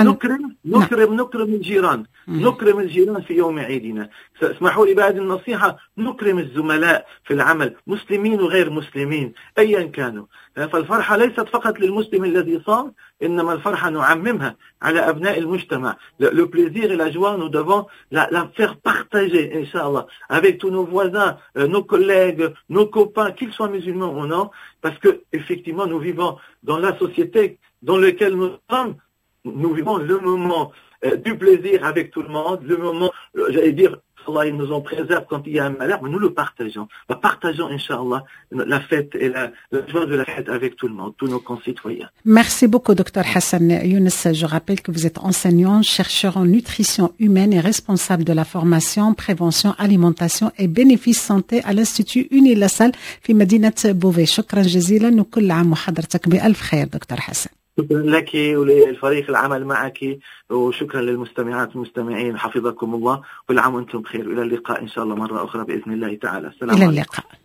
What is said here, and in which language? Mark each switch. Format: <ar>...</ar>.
<ar>ونكرم نكرم نكرم الجيران، نكرم الجيران في يوم عيدنا. اسمحوا لي بعد النصيحة، نكرم الزملاء في العمل، مسلمين وغير مسلمين أيا كانوا. فالفرحة ليست فقط للمسلم الذي صام، إنما الفرحة نعممها على أبناء المجتمع.</ar> <fr>Le plaisir et la joie nous devons la faire partager إن شاء الله avec tous nos voisins, nos collègues, nos copains, qu'ils soient musulmans ou non, parce que effectivement nous vivons dans la société dans laquelle nous sommes. Nous vivons le moment du plaisir avec tout le monde, le moment, j'allais dire, Allah nous en préserve quand il y a un malheur, mais nous le partageons. Nous partageons, Inch'Allah, la fête et la joie de la fête avec tout le monde, tous nos concitoyens. Merci beaucoup, Dr Hassan Younes. Je rappelle que vous êtes enseignant, chercheur en nutrition humaine et responsable de la formation, prévention, alimentation et bénéfices santé à l'Institut Unilassal</fr> <ar>fi Madinat</ar> <fr>Beauvais.</fr> <ar>Shukran jazila, nous kul am muhadratak bi alf khair, Dr Hassan. شكرا لك وللفريق العمل معك، وشكرا للمستمعات والمستمعين، حفظكم الله، كل عام وانتم بخير، الى اللقاء ان شاء الله مره اخرى باذن الله تعالى. السلام عليكم. الى اللقاء.</ar>